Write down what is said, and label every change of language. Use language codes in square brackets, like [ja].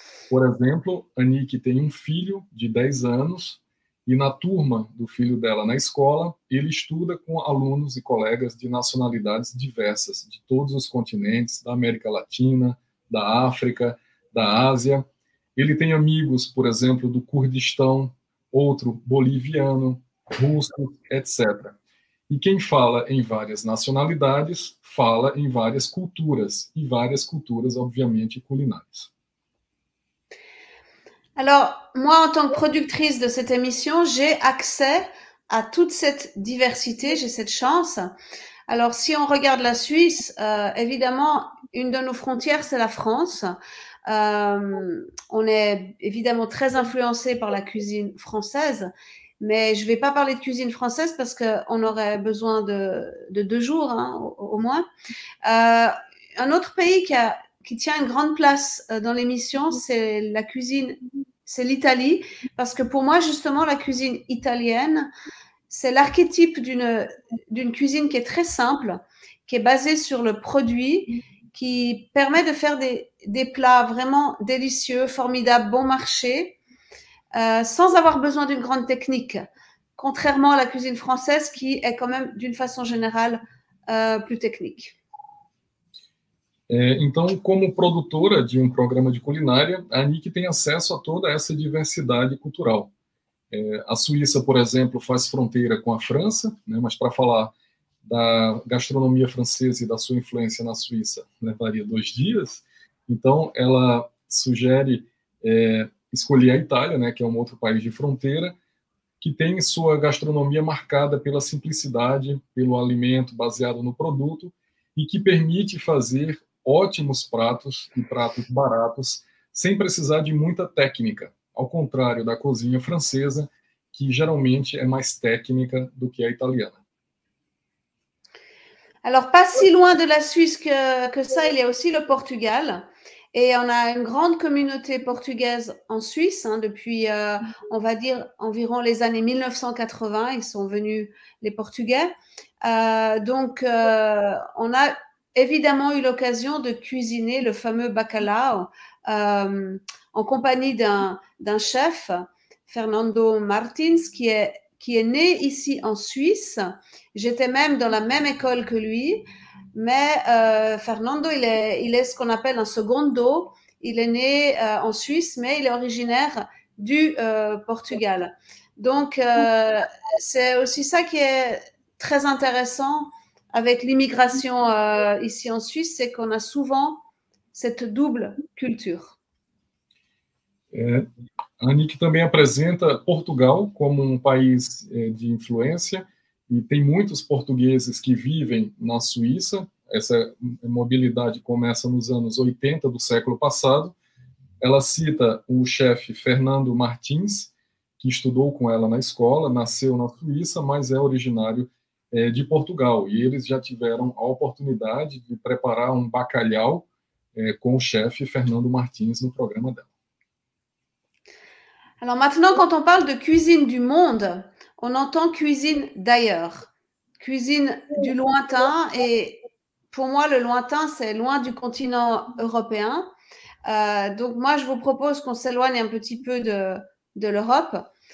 [pt] Por exemplo, a Nick tem um filho de 10 anos, e na turma do filho dela na escola, ele estuda com alunos e colegas de nacionalidades diversas, de todos os continentes, da América Latina, da África, da Ásia. Ele tem amigos, por exemplo, do Kurdistão, outro boliviano, russo, etc. E quem fala em várias nacionalidades, fala em várias culturas, e várias culturas, obviamente, culinárias. [fr] Alors, moi, en tant que productrice de cette émission, j'ai accès à toute cette diversité, j'ai cette chance. Alors, si on regarde la Suisse, évidemment, une de nos frontières, c'est la France. On est évidemment très influencé par la cuisine française, mais je ne vais pas parler de cuisine française parce qu'on aurait besoin de 2 jours, hein, au moins. Un autre pays qui tient une grande place dans l'émission, c'est l'Italie, parce que pour moi, justement, la cuisine italienne, c'est l'archétype d'une cuisine qui est très simple, qui est basée sur le produit, qui permet de faire des plats vraiment délicieux, formidables, bon marché, sans avoir besoin d'une grande technique, contrairement à la cuisine française qui est quand même, d'une façon générale, plus technique. [pt] Então, como produtora de um programa de culinária, a Nick tem acesso a toda essa diversidade cultural. A Suíça, por exemplo, faz fronteira com a França, né? Mas para falar da gastronomia francesa e da sua influência na Suíça, levaria 2 dias. Então, ela sugere escolher a Itália, né? Que é um outro país de fronteira, que tem sua gastronomia marcada pela simplicidade, pelo alimento baseado no produto e que permite fazer ótimos pratos e pratos baratos, sem precisar de muita técnica, ao contrário da cozinha francesa, que geralmente é mais técnica do que a italiana. [fr] Alors, pas si loin de la Suisse que ça, il y a aussi le Portugal. Et on a une grande communauté portugaise en Suisse, hein, depuis, on va dire, environ les années 1980, ils sont venus les Portugais. Donc, on a évidemment eu l'occasion de cuisiner le fameux bacalao en compagnie d'un chef, Fernando Martins, qui est né ici en Suisse. J'étais même dans la même école que lui, mais Fernando, il est ce qu'on appelle un secondo. Il est né en Suisse, mais il est originaire du Portugal. Donc, c'est aussi ça qui est très intéressant avec l'immigration ici en Suisse, c'est qu'on a souvent cette double culture. [pt] A Nick também apresenta Portugal como um país de influência e tem muitos portugueses que vivem na Suíça. Essa mobilidade começa nos anos 80 do século passado. Ela cita o chefe Fernando Martins, que estudou com ela na escola, nasceu na Suíça, mas é originário de Portugal, e eles já tiveram a oportunidade de preparar um bacalhau com o chefe Fernando Martins no programa dela. [fr] Alors maintenant, quand on parle de cuisine du monde, on entend cuisine d'ailleurs, cuisine du lointain, et pour moi, le lointain, c'est loin du continent européen. Donc moi, je vous propose qu'on s'éloigne un petit peu de l'Europe